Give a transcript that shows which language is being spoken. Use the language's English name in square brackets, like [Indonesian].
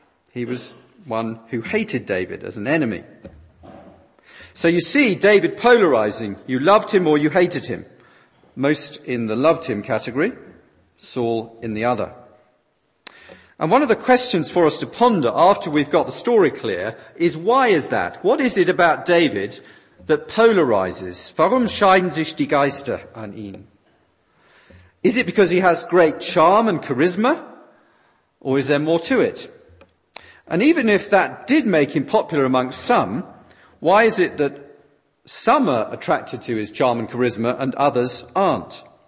[English] He was one who hated David as an enemy. So you see David polarizing. You loved him or you hated him. Most in the loved him category, Saul in the other. And one of the questions for us to ponder after we've got the story clear is, why is that? What is it about David that polarizes? [German] Warum scheiden sich die Geister an ihn? [English] Is it because he has great charm and charisma? Or is there more to it? And even if that did make him popular amongst some, why is it that some are attracted to his charm and charisma and others aren't?